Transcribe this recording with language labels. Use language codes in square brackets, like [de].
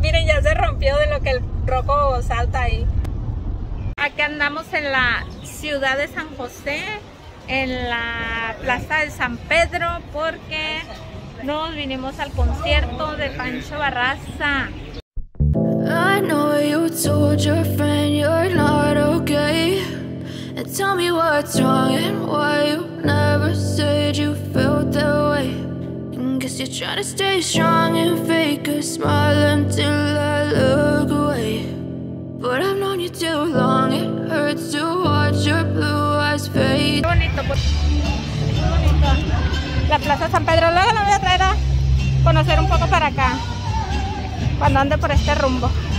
[es] Miren, ya se rompió de lo que el Rocco salta ahí. Aquí andamos en la ciudad de San José, en la plaza de San Pedro, porque nos vinimos al concierto de Pancho Barraza. [en] I know you told your friend you're not okay. And tell me what's wrong and why you never said you felt that way. And guess you're trying to stay strong and fake a smile until I look away. But I've known you too long, it hurts to watch your blue eyes fade. [es] Qué bonito, la plaza San Pedro. Luego la voy a traer a conocer un poco para acá, cuando ande por este rumbo.